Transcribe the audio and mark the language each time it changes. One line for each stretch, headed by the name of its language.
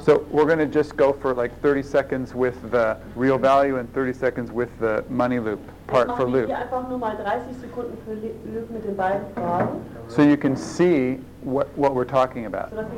English: So we're going to just go for like 30 seconds with the real value and 30 seconds with the money loop part for Luke.
German: Hier einfach nur mal 30 Sekunden für Luke mit den beiden Fragen.
English: So you can see what we're talking about.